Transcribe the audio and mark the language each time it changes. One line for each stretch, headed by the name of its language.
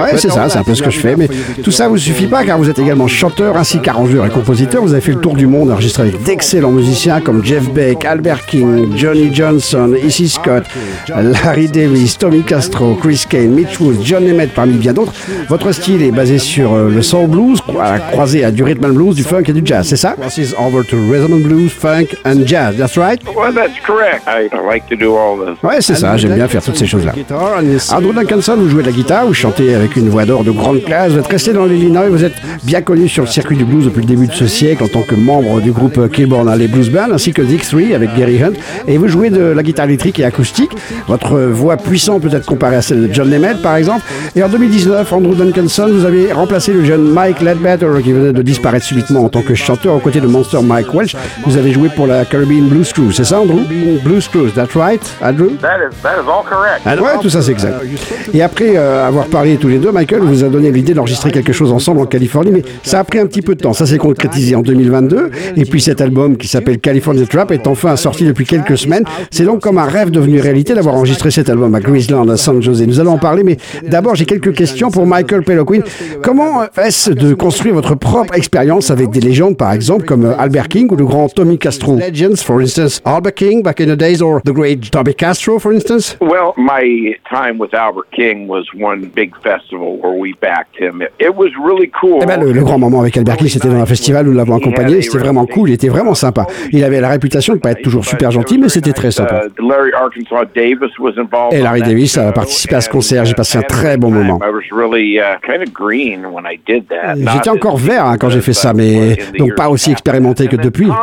French: Ouais, c'est ça, c'est un peu ce que je fais. Mais tout ça vous suffit pas, car vous êtes également chanteur, ainsi qu'arrangeur et compositeur. Vous avez fait le tour du monde, enregistré avec d'excellents musiciens comme Jeff Beck, Albert King, Johnny Johnson, Issy Scott, Larry Davis, Tommy Castro, Chris Kane, Mitch Woods, John Emmett parmi bien d'autres. Votre style est basé sur le soul blues croisé à du rhythm and blues, du funk et du jazz, c'est ça?
English: Crosses over to rhythm and blues, funk and jazz, that's right? Well, that's correct. I like to do all this.
French: Ouais, c'est ça, j'aime bien faire toutes ces choses-là. Andrew Duncanson, vous jouez de la guitare, vous chantez avec une voix d'or de grande classe, vous êtes resté dans l'Illinois, vous êtes bien connu sur le circuit du blues depuis le début de ce siècle en tant que membre du groupe Kilbourn Alley Blues Band, ainsi que Dig Three avec Gary Hunt, et vous jouez de la guitare électrique et acoustique. Votre voix puissante peut être comparée à celle de John Emmett, par exemple. Et en 2019, Andrew Duncanson, vous avez remplacé le jeune Mike Ledbetter qui venait de disparaître subitement en tant que chanteur aux côtés de Monster Mike Welch. Vous avez joué pour la Caribbean Blues Crew, c'est ça Andrew?
English: Blues Crew, that's right, Andrew? That is all correct.
French: Ouais, tout ça c'est exact. Et après avoir parlé tous les deux, Michael vous a donné l'idée d'enregistrer quelque chose ensemble en Californie, mais ça a pris un petit peu de temps. Ça s'est concrétisé en 2022, et puis cet album qui s'appelle California Trap est enfin sorti depuis quelques semaines. C'est donc comme un rêve devenu réalité d'avoir enregistré cet album à Graceland, à San Jose. Nous allons en parler, mais D'abord, j'ai quelques questions pour Michael Peloquin. Comment est-ce de construire votre propre expérience avec des légendes, par exemple, comme Albert King ou le grand Tommy Castro?
English: Legends, for instance, Albert King back in the days, or the great Tommy Castro, for instance? Well, my time with Albert King was one big festival where we backed him. It was really cool.
French: Eh ben, le grand moment avec Albert King, c'était dans un festival où nous l'avons accompagné. C'était vraiment cool, il était vraiment sympa. Il avait la réputation de ne pas être toujours super gentil, mais c'était très sympa.
English: Larry Arkansas Davis was involved.
French: Et Larry Davis a participé à ce concert. J'ai passé un très bon moment. J'étais encore vert quand j'ai fait ça, mais donc pas aussi expérimenté que depuis.